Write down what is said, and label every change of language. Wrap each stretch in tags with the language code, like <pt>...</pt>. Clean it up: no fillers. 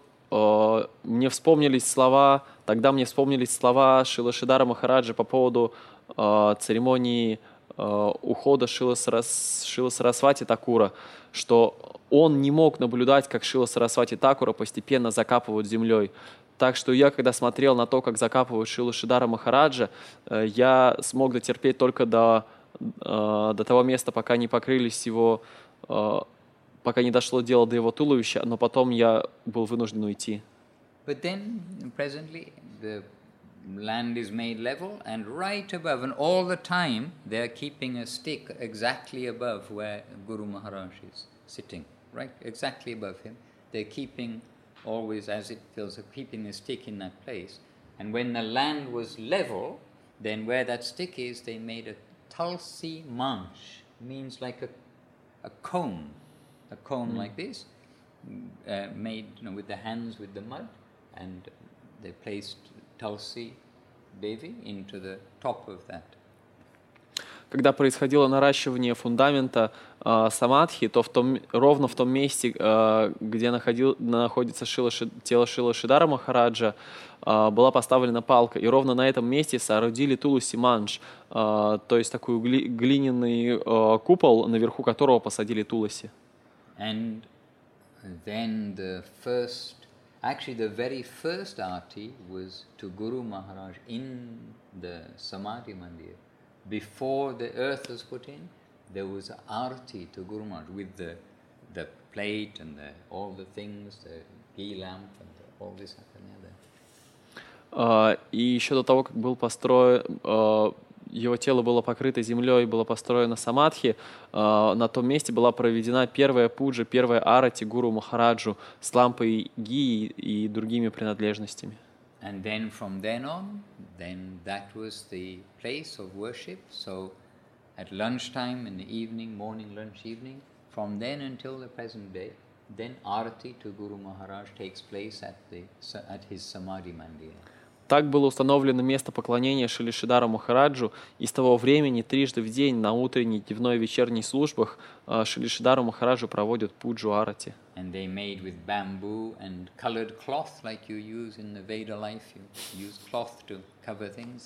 <ru>Мне вспомнились слова, тогда мне вспомнились слова Шрилы Шридхара Махараджа по поводу церемонии ухода Шрилы Сарасвати Такура, что он не мог наблюдать, как Шрила Сарасвати Такура постепенно закапывают землей. Так что я, когда смотрел на то, как закапывают Шрилу Шридхара Махараджа, я смог дотерпеть только до того места, пока не покрылись его... пока не дошло дело до его туловища, но потом я был вынужден уйти.</ru> <en>But then, presently, the land is made level, and right above, and all the time, they are keeping a stick exactly above where Guru Maharaj is sitting, right? Exactly above him. They're keeping always, as it feels, keeping a stick in that place. And when the land was level, then where that stick is, they made a tulsi manch, means like a comb. A comb like this, made, you know, with the hands, with the mud, and they placed Tulsi Devi into the top of that.</en> <ru>Когда происходило наращивание фундамента самадхи, то ровно в том месте, где находится тело Шрилы Шридхара Махараджа, была поставлена палка, и ровно на этом месте соорудили Тулуси Манш, то есть такой глиняный купол, наверху которого посадили Тулуси.</ru> <en>And then the first, actually the very first aarti was to Guru Maharaj in the Samadhi Mandir. Before the earth was put in, there was an aarti to Guru Maharaj with the plate and the all the things, the ghee lamp and the, all this happened there.</en> <ru>И еще до того, как был построен... его тело было покрыто землей, было построено самадхи, на том месте была проведена первая пуджа, первая арати Гуру Махараджу с лампой ги и другими принадлежностями.</ru> <en>And then from then on, then that was the place of worship. So at lunchtime in the evening, morning, lunch, evening, from then until the present day, then arati to Guru Maharaj takes place at his Samadhi Mandir.</en> <ru>Так было установлено место поклонения Шрилы Шридхара Махараджу, и с того времени трижды в день на утренней, дневной и вечерней службах Шрилы Шридхара Махараджу проводят пуджу арати.</ru> <en>And they made with bamboo and colored cloth, like you use in the Veda life, you use cloth to cover things.</en>